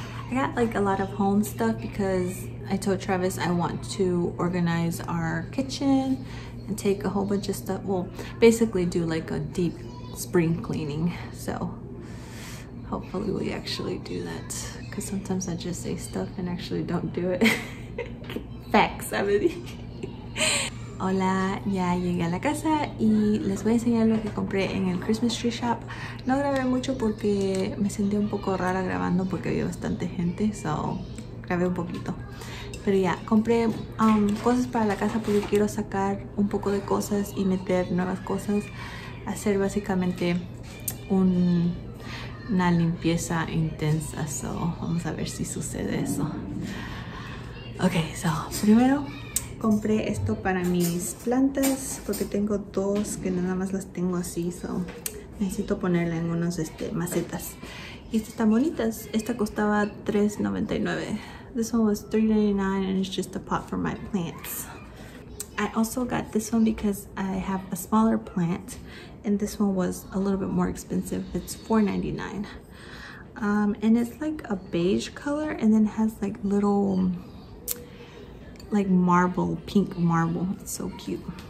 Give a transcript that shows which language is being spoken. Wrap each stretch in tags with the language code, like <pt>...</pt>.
<en>I got like a lot of home stuff because I told Travis I want to organize our kitchen and take a whole bunch of stuff. Well, basically do like a deep spring cleaning. So hopefully we actually do that. Sometimes I just say stuff and actually don't do it. Facts, I mean.</en> <es>Hola, ya llegué a la casa y les voy a enseñar lo que compré en el Christmas tree shop. No grabé mucho porque me sentí un poco rara grabando porque había bastante gente, so grabé un poquito. Pero ya, compré cosas para la casa porque quiero sacar un poco de cosas y meter nuevas cosas. Hacer básicamente una limpieza intensa, so vamos a ver si sucede eso. Ok, so primero compré esto para mis plantas porque tengo dos que nada más las tengo así, so necesito ponerla en unos macetas. Y estas están bonitas. Esta costaba $3.99.</es> <en>This one was $3.99 and it's just a pot for my plants. I also got this one because I have a smaller plant. And this one was a little bit more expensive. It's $4.99. And it's like a beige color and then has like little like marble, pink marble. It's so cute.</en>